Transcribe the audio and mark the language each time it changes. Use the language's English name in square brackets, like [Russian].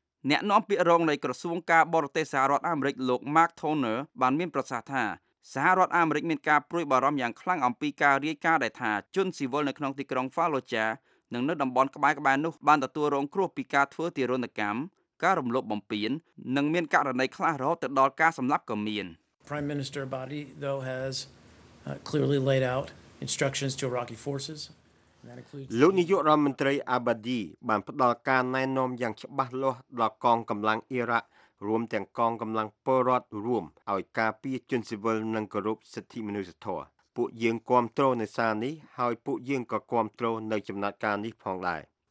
[Khmer] អ្នកនាំពាក្យរងនៃក្រសួងការបរទេសសហរដ្ឋអាមេរិកលោក Mark Toner បានមានប្រសាសន៍ថាសហរដ្ឋអាមេរិកមានការព្រួយបារម្ភយ៉ាងខ្លាំងអំពីការរាយការណ៍ដែលថាជនស៊ីវិលនៅក្នុងទីក្រុងហ្វាលូចានិងនៅតំបន់ក្បែរនោះបានទទួលរងគ្រោះពីការធ្វើទារុណកម្មការរំលោភបំពាននិងមានករណីខ្លះរហូតទៅដល់ការសម្លាប់ក៏មាន [English] Prime Minister Abadi though has clearly laid out instructions to Iraqi forces [Khmer] លោកនាយករដ្ឋមន្ត្រី Abadi បានផ្ដល់ការណែនាំយ៉ាងច្បាស់លាស់ដល់កងកម្លាំងអ៊ីរ៉ាក់រួមទាំងកងកម្លាំងពលរដ្ឋរួមឲ្យការពារជនស៊ីវិលនិងគោរពសិទ្ធិមនុស្សធម៌ពួកយើងគ្រប់គ្រងនៅសារនេះហើយពួកយើងក៏គ្រប់គ្រងនៅចំណាត់ការនេះផងដែរ